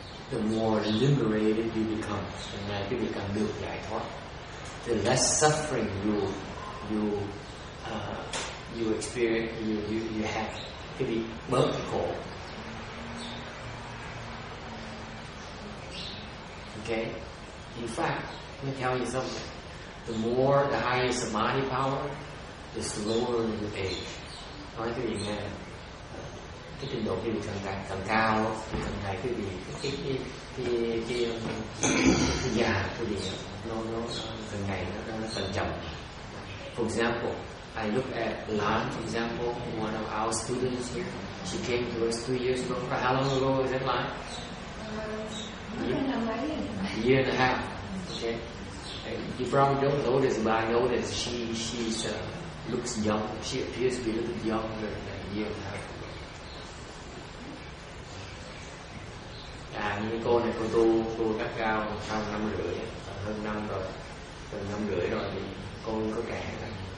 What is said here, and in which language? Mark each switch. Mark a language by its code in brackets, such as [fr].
[en] The more liberated you become, the more you become [vi] được giải thoát, [en] the less suffering you experience, you have, to be merciful. Okay, in fact, let me tell you something: the more the higher samadhi power, the slower you age. [vi] Nói cho mình nghe. Cái trình độ quý vị càng càng càng cao thì càng ngày quý vị cái già quý vị nó càng ngày nó càng chậm. [en] For example, I look at Lan. For example, one of our students here, she came to us 2 years ago. For how long ago is that, Lan? A year and a half. Okay, you probably don't know this, but I know that she looks young. She appears to be a little bit younger than a year and a half. [vi] À, như cô này, cô tu cắt cao trong năm rưỡi, hơn năm rồi, gần năm rưỡi rồi thì cô có kẻ rồi.